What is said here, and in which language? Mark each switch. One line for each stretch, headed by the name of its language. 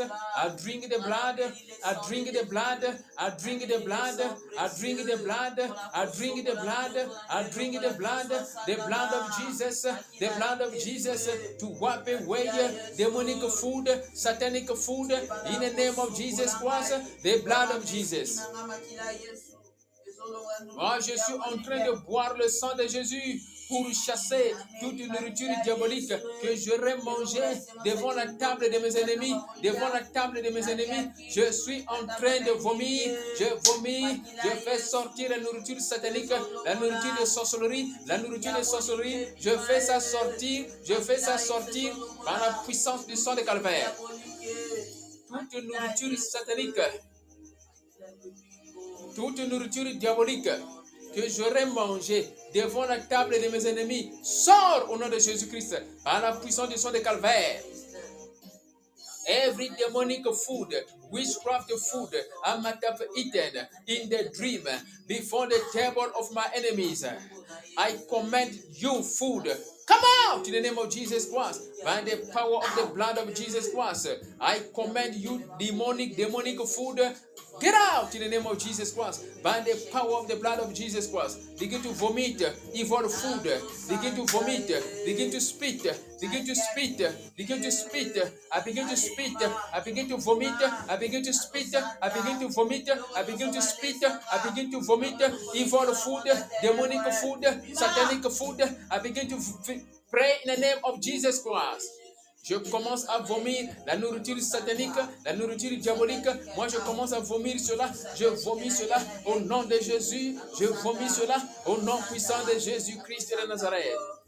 English: I drink the blood. I drink the blood. I drink the blood. I drink the blood. I drink the blood. I drink the blood. The blood of Jesus. The blood of Jesus to wipe away demonic food, satanic food in the name of Jesus Christ. The blood of Jesus.
French: Oh, je suis en train de boire le sang de Jésus pour chasser toute nourriture diabolique que j'aurais mangé devant la table de mes ennemis, devant la table de mes ennemis. Je suis en train de vomir, je vomis, je fais sortir la nourriture satanique, la nourriture de sorcellerie, la nourriture de sorcellerie. Je fais ça sortir, je fais ça sortir par la puissance du sang de Calvaire. Toute nourriture satanique, toute nourriture diabolique que j'aurais mangé devant la table de mes ennemis, sors au nom de Jésus-Christ par la puissance du sang de Calvaire.
English: Every demonic food, witchcraft food, I might have eaten in the dream before the table of my enemies. I command you, food, come out in the name of Jesus Christ by the power of the blood of Jesus Christ. I command you, demonic food, get out in the name of Jesus Christ by the power of the blood of Jesus Christ. Begin to vomit evil food. Begin to vomit. Begin to spit. Begin to spit. Begin to spit. I begin to spit. I begin to vomit. I begin to spit. I begin to vomit. I begin to spit. I begin to vomit evil food, demonic food, satanic food. I begin to pray in the name of Jesus Christ.
French: Je commence à vomir la nourriture satanique, la nourriture diabolique. Moi, je commence à vomir cela. Je vomis cela au nom de Jésus. Je vomis cela au nom puissant de Jésus-Christ de Nazareth.